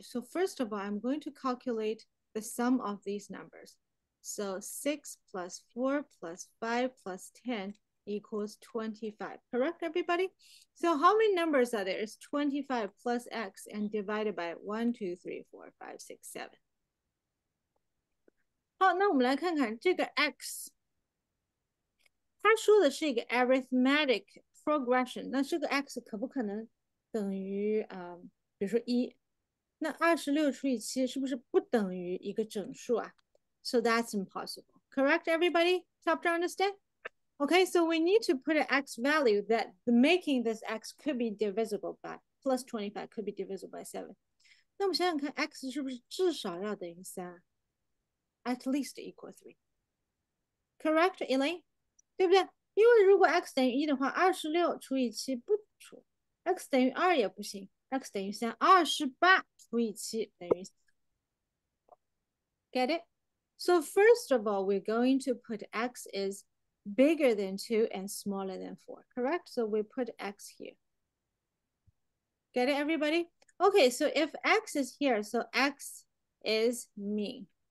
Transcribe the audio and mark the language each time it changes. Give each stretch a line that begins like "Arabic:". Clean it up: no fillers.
English: So first of all, I'm going to calculate the sum of these numbers. So 6 plus 4 plus 5 plus 10 equals 25. Correct, everybody? So how many numbers are there? It's 25 plus x and divided by 1, 2, 3, 4, 5, 6, 7.
Chinese: 好，那我们来看看这个 x，它说的是一个 arithmetic progression，那这个 x 可不可能等于比如说一，那26除以7是不是不等于一个整数啊？
English: So that's impossible. Correct, everybody? Top to understand? Okay, so we need to put an x value that making this x could be divisible by plus 25 could be divisible by 7.
Chinese: 那我们想想看，x 是不是至少要等于3？
English: At least equal 3. Correct, Elaine?
Chinese: 对不对？因为如果 x 等于1的话，26除以7不除，x 等于2也不行，x 等于3，28除以7等于 3.
English: Get it? So first of all, we're going to put x is bigger than 2 and smaller than 4. Correct? So we put x here. Get it, everybody? Okay, so if x is here, so x is mean.